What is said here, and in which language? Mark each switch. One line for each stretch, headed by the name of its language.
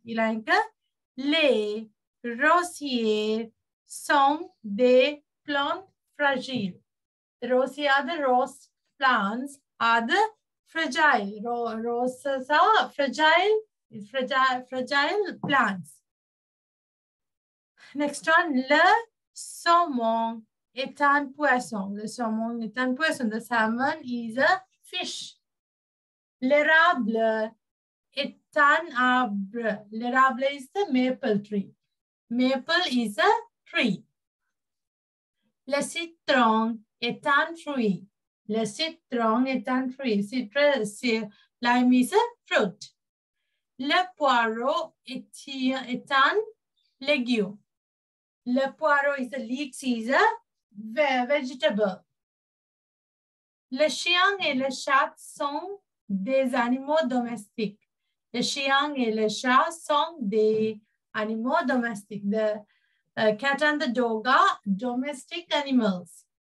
French: Il a une les rosiers sont des plantes fragiles.
English: The rosiers are the rose plants are the fragile. Roses are fragile. Fragile plants. Next one,
French: le saumon est un poisson. Le saumon est un poisson.
English: The salmon is a fish.
French: L'érable est un arbre. L'érable
English: is the maple tree. Maple is a tree.
French: Le citron est un fruit. Le citron est un fruit.
English: Citrus, lime is a fruit.
French: Le poireau est un légume. Le poireau
English: is a leek, is a vegetable.
French: Le chien et le chat sont des animaux domestiques. Le chien et le chat sont des animaux domestiques.
English: The cat and the dog are domestic animals.